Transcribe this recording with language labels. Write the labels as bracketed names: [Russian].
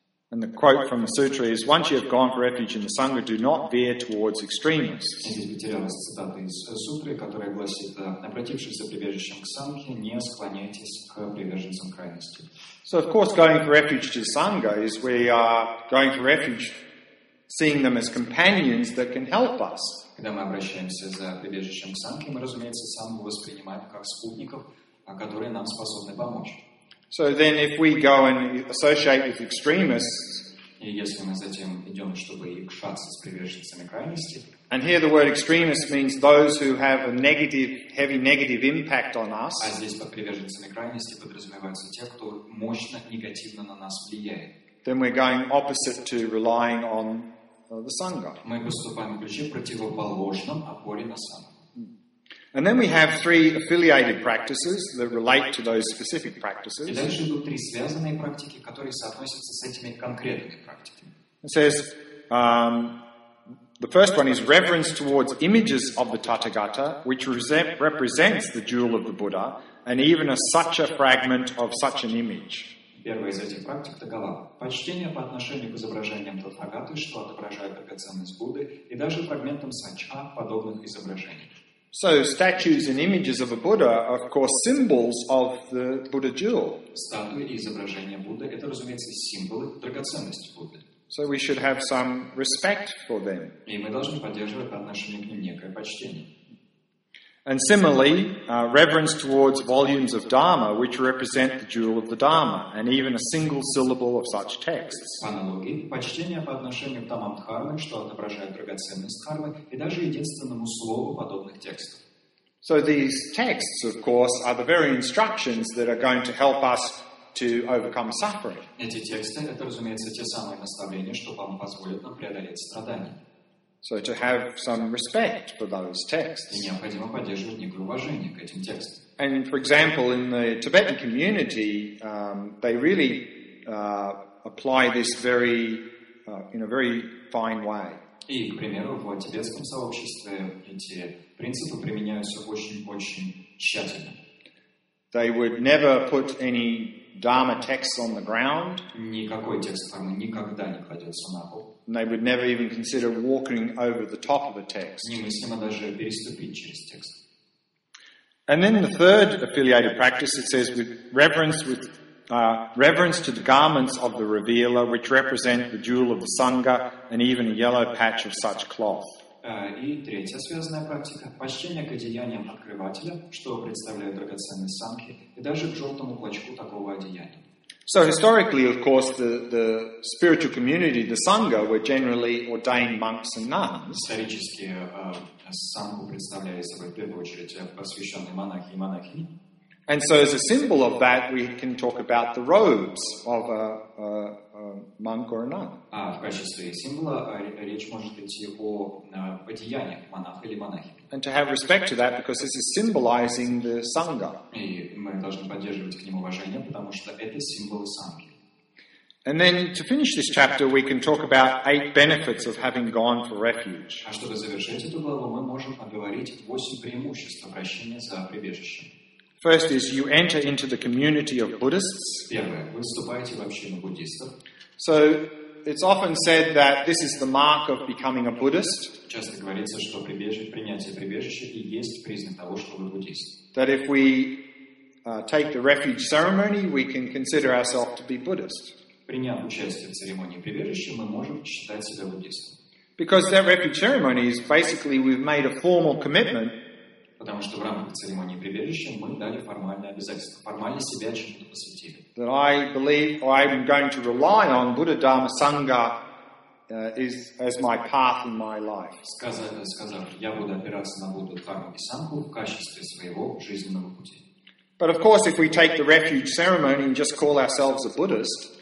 [English] And the quote from the sutra is, once you have gone for refuge in the Sangha, do not veer towards extremists. [Russian] И здесь потерялась цитата из сутры, которая гласит, обратившись за прибежищем к Сангхе, не склоняйтесь к приверженцам крайности. [English] So, of course, going for refuge to the Sangha is we are going for refuge, seeing them as companions that can help us. [Russian] Когда мы обращаемся за прибежищем к Санке, мы, разумеется, сам его воспринимаем как спутников, которые нам способны помочь. [English] So then if we go and associate with extremists, [Russian] и если мы затем идем, чтобы якшаться с приверженцами крайности, [English] and here the word extremist means those who have a negative, heavy negative impact on us. [Russian] А здесь под приверженцами крайности подразумеваются те, кто мощно негативно на нас влияет. [English] Then we're going opposite to relying on the sun god. [Russian] Мы выступаем ключи противоположном опоре на сан. [English] And then we have three affiliated practices that relate to those specific practices. [Russian] И дальше идут три связанные практики, которые соотносятся с этими конкретными практиками. [English] It says, the first one is reverence towards images of the Tathagata, which represents the jewel of the Buddha, and even a such a fragment of such an image. [Russian] Первая из этих практик такова. Почтение по отношению к изображениям Тхагаты, что отображает драгоценность Будды, и даже фрагментам санча подобных изображений. [English] So statues and images of a Buddha are of course symbols of the Buddha jewel. [Russian] Статуи и изображения Будды это, разумеется, символы драгоценности Будды. [English] So we should have some respect for them. [Russian] И мы должны поддерживать по отношению к ним некое почтение. [English] And similarly, reverence towards volumes of Dharma, which represent the jewel of the Dharma, and even a single syllable of such texts. [Russian] По аналогии, почтение по отношению к томам Дхармы, что отображает драгоценность Дхармы, и даже единственному слову подобных текстов. [English] So these texts, of course, are the very instructions that are going to help us to overcome suffering. [Russian] Эти тексты, это, разумеется, те самые наставления, что вам позволят нам преодолеть страдания. [English] So to have some respect for those texts. [Russian] И необходимо поддерживать некое уважение к этим текстам. [English] And for example, in the Tibetan community, they really apply this very in a very fine way. [Russian] И, к примеру, в тибетском сообществе эти принципы применяются очень-очень тщательно. [English] They would never put any Dharma texts on the ground. [Russian] Никакой текст Дхармы никогда не кладется на пол. [English] And they would never even consider walking over the top of a text. [Russian] Немыслимо даже переступить через текст. [English] And then the third affiliated practice, it says, reverence to the garments of the revealer, which represent the jewel of the Sangha, and even a yellow patch of such cloth. [Russian] И третья связанная практика – почтение к одеяниям открывателя, что представляет драгоценность Сангхи, и даже к желтому клочку такого одеяния. [English] So historically, of course, the spiritual community, the Sangha, were generally ordained monks and nuns. [Russian] Исторически Сангху представляли собой в первую очередь посвященные монахи и монахини. [English] And so as a symbol of that, we can talk about the robes of a monk or a nun. [Russian] А в качестве символа речь может идти о одеяниях монаха или монахини. [English] And to have respect to that, because this is symbolizing the Sangha. [Russian] И мы должны поддерживать к ним уважение, потому что это символ Сангхи. [English] And then to finish this chapter, we can talk about eight benefits of having gone for refuge. [Russian] А чтобы завершить эту главу, мы можем поговорить 8 преимуществ обращения за прибежищем. [English] First is you enter into the community of Buddhists. [Russian] Первое, вы вступаете в общину буддистов. [English] So it's often said that this is the mark of becoming a Buddhist. [Russian] Часто говорится, что принятие прибежища и есть признак того, что вы буддист. [English] That if we take the refuge ceremony, we can consider ourselves to be Buddhist. [Russian] Приняв участие в церемонии прибежища, мы можем считать себя буддистом. [English] Because that refuge ceremony is basically we've made a formal commitment. [Russian] Потому что в рамках церемонии прибежища мы дали формальное обязательство, формально себя чему-то посвятили. [English] That I believe or I am going to rely on Buddha, Dharma, Sangha is as my path in my life. [Russian] Сказав, я буду опираться на Будду, Дхарму и Сангху в качестве своего жизненного пути. [English] But of course, if we take the refuge ceremony and just call ourselves a Buddhist,